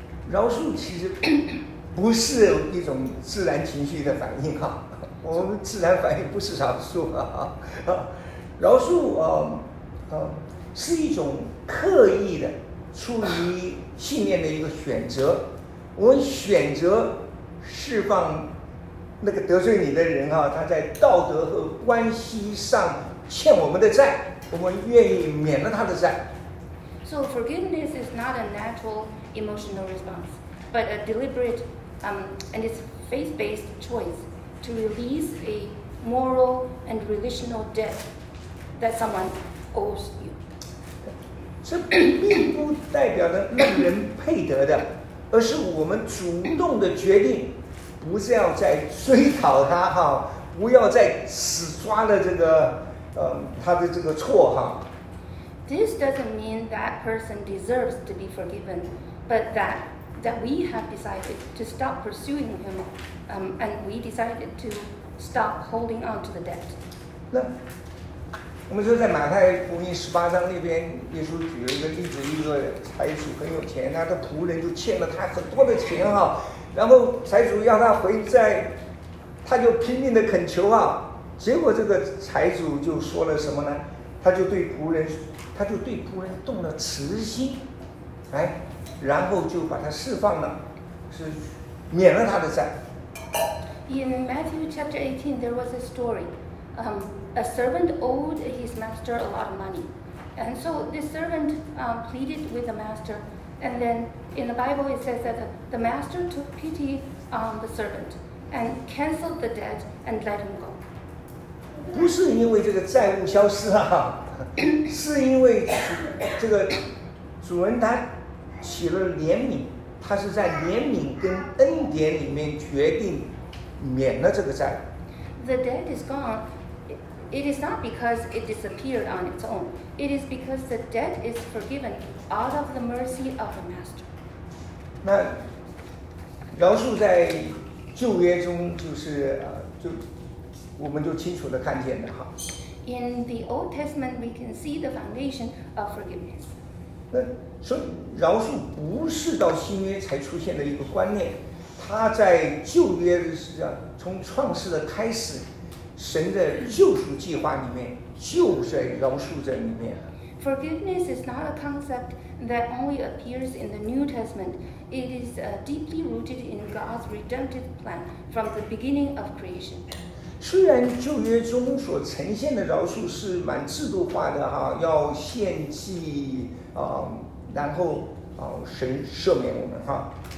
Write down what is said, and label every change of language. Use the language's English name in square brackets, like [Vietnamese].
[Chinese] 饶恕其实不是一种自然情绪的反应哈，我们自然反应不是饶恕啊，饶恕是一种刻意的出于信念的一个选择，我们选择释放那个得罪你的人哈，他在道德和关系上欠我们的债，我们愿意免了他的债。 [English] So forgiveness is not a natural emotional response, but a deliberate. And it's faith-based choice to release a moral and relational debt that someone owes you. [Chinese] 这并不代表着令人配得的，而是我们主动的决定，不要再追讨他哈，不要再死抓了这个他的这个错哈。 [English] This doesn't mean that person deserves to be forgiven, but that we have decided to stop pursuing him, and we decided to stop holding on to the debt. [Chinese] 那我们说在马太福音十八章那边，耶稣举了一个例子，一个财主很有钱，他的仆人就欠了他很多的钱哈，然后财主要他回债，他就拼命的恳求啊，结果这个财主就说了什么呢？他就对仆人，他就对仆人动了慈心，哎，然后就把他释放了，是免了他的债。 [English] In Matthew chapter 18, there was a story. A servant owed his master a lot of money, and so this servant pleaded with the master. And then in the Bible it says that the master took pity on the servant and canceled the debt and let him go. [Chinese] 不是因为这个债务消失啊。是因为这个主人他起了怜悯，他是在怜悯跟恩典里面决定免了这个债。 [English] The debt is gone. It is not because it disappeared on its own. It is because the debt is forgiven out of the mercy of the master. [Chinese] 那饶恕在旧约中就是就我们就清楚的看见的哈。 [English] In the Old Testament, we can see the foundation of forgiveness. [Chinese] 所以饶恕不是到新约才出现的一个观念，它在旧约的时候，从创世的开始，神的救赎计划里面就在饶恕在里面。 [English] Forgiveness is not a concept that only appears in the New Testament. It is deeply rooted in God's redemptive plan from the beginning of creation. [Chinese] 虽然旧约中所呈现的饶恕是蛮制度化的哈，要献祭啊，然后啊神赦免我们哈。